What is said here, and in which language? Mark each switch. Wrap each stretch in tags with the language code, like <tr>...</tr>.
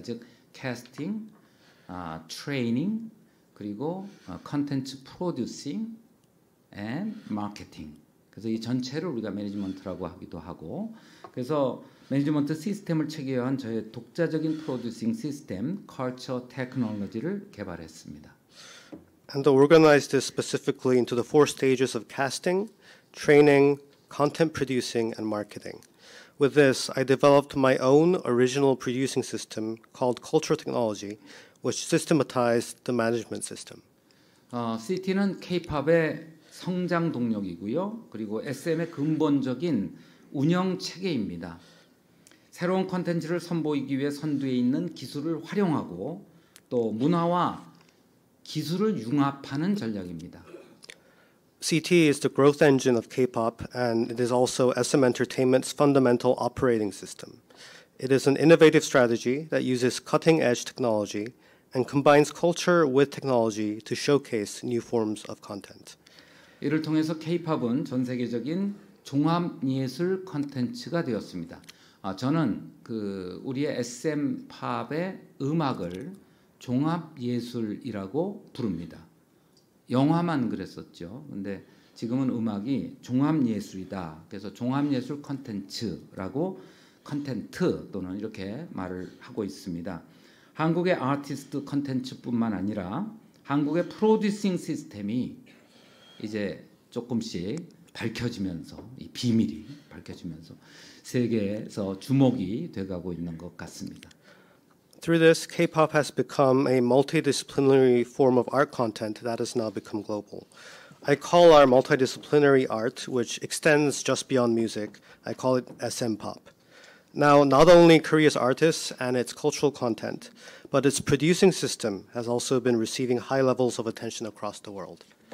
<ko>즉 캐스팅, 아 트레이닝, 그리고 컨텐츠 프로듀싱, 앤 마케팅. 그래서 이 전체를 우리가 매니지먼트라고 하기도 하고 그래서 매니지먼트 시스템을 체계화한 저의 독자적인 프로듀싱 시스템, 컬처 테크놀로지를 개발했습니다.</ko> <en>And to organize this specifically into the four stages of casting, training, content producing, and marketing. With this, I developed my own original producing system called Cultural Technology, which systematized the management system.</en> <ko>CT는 K-POP의 성장 동력이고요. 그리고 SM의 근본적인 운영 체계입니다. 새로운 콘텐츠를 선보이기 위해 선두에 있는 기술을 활용하고 또 문화와 기술을 융합하는 전략입니다.</ko> <en>CT is the growth engine of K-pop and it is also SM Entertainment's fundamental operating system. It is an innovative strategy that uses cutting-edge technology and combines culture with technology to showcase new forms of content.</en> <ko>이를 통해서 K-pop은 전 세계적인 종합 예술 콘텐츠가 되었습니다. 저는 그 우리의 SM 팝의 음악을 종합 예술이라고 부릅니다. 영화만 그랬었죠. 근데 지금은 음악이 종합 예술이다. 그래서 종합 예술 콘텐츠라고 콘텐츠 또는 이렇게 말을 하고 있습니다. 한국의 아티스트 콘텐츠뿐만 아니라 한국의 프로듀싱 시스템이 이제 조금씩 밝혀지면서 이 비밀이 밝혀지면서 세계에서 주목이 돼가고 있는 것 같습니다.</ko> <en>Through this, K-pop has become a multidisciplinary form of art content that has now become global. I call our multidisciplinary art, which extends just beyond music, I call it SM-pop. Now, not only Korea's artists and its cultural content, but its producing system has also been receiving high levels of attention across the world.</en>